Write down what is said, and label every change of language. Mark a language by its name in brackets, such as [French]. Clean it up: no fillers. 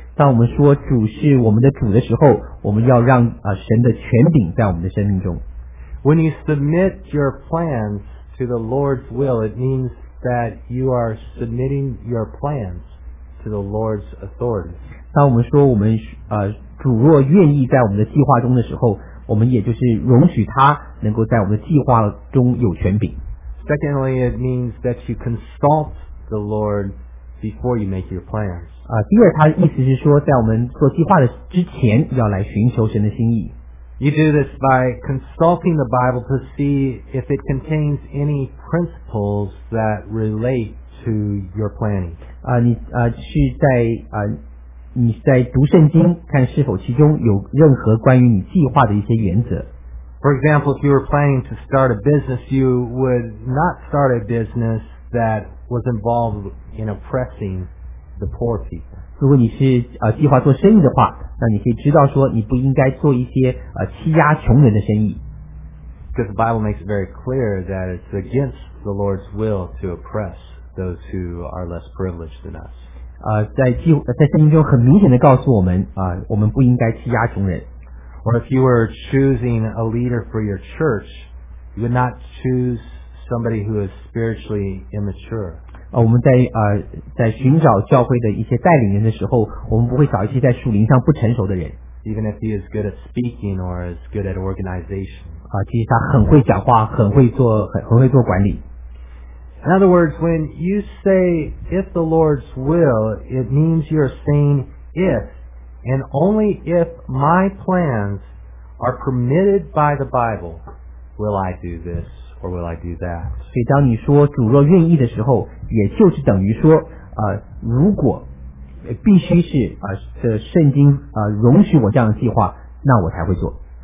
[Chinese] 当我们说主是我们的主的时候，我们要让神的权柄在我们的生命中。 [English] When you submit your plans to the Lord's will, it means that you are submitting your plans to the Lord's authority. [Chinese] 当我们说我们主若愿意在我们的计划中的时候，我们也就是容许他能够在我们的计划中有权柄。 [English] Secondly, it means that you consult the Lord before you make your plans. [Chinese] 第二，他的意思是说，在我们做计划的之前，要来寻求神的心意。 [English] You do this by consulting the Bible to see if it contains any principles that relate to your planning. [Chinese] 你在读圣经看是否其中有任何关于你计划的一些原则。 [English] For example, if you were planning to start a business, you would not start a business that was involved in oppressing the poor people. [Chinese] 如果你是计划做生意的话，那你可以知道说你不应该做一些欺压穷人的生意。 [English] Because the Bible makes it very clear that it's against the Lord's will to oppress those who are less privileged than us. [Chinese] 在圣经中很明显的告诉我们我们不应该欺压穷人。 [English] Or if you were choosing a leader for your church, you would not choose somebody who is spiritually immature. [Chinese] 我们在寻找教会的一些带领人的时候，我们不会找一些在属灵上不成熟的人。 [English] even if he is good at speaking or is good at organization. [Chinese] 啊，其实他很会讲话，很会做，很会做管理。 [English] In other words, when you say "if the Lord's will," it means you're saying if and only if my plans are permitted by the Bible, will I do this or will I do that. [Chinese] 所以当你说主若愿意的时候，也就是等于说，如果必须是这圣经容许我这样的计划，那我才会做。